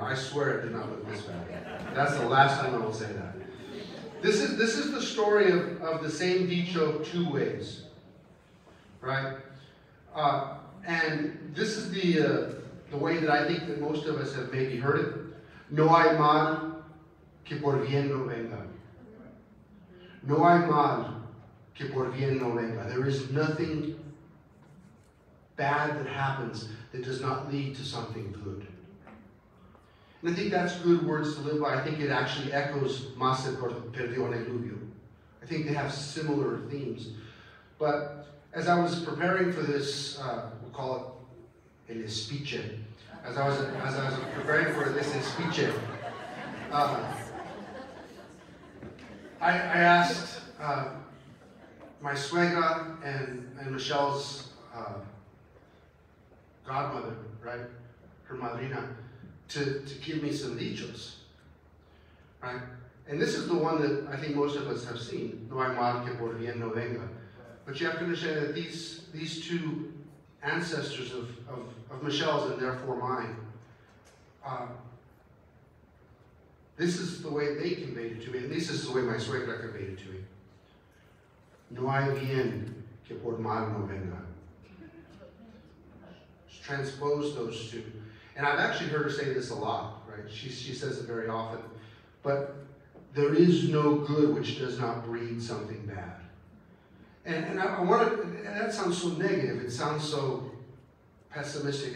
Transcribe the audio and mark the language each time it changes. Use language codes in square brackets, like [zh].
[en] I swear it did not look this bad. That's the last time I will say that. This is the story of the same dicho two ways, right? And this is the way that I think that most of us have maybe heard it. [es] No hay mal que por bien no venga. No hay mal que por bien no venga. [en] There is nothing bad that happens that does not lead to something good. And I think that's good words to live by. I think it actually echoes [es] Más se perdió en el diluvio. [en] I think they have similar themes. But as I was preparing for this, we'll call it el speech. As I was preparing for this speech, I asked my suegra and Michelle's godmother, right, her madrina, to give me some dichos, right? And this is the one that I think most of us have seen, [es] no hay mal que por bien no venga. [en] But you have to understand that these two ancestors of Michelle's and therefore mine, this is the way they conveyed it to me, at least this is the way my suegra conveyed it to me. [es] No hay bien que por mal no venga. [en] Transpose those two. And I've actually heard her say this a lot, right? She says it very often. But there is no good which does not breed something bad. And that sounds so negative. It sounds so pessimistic.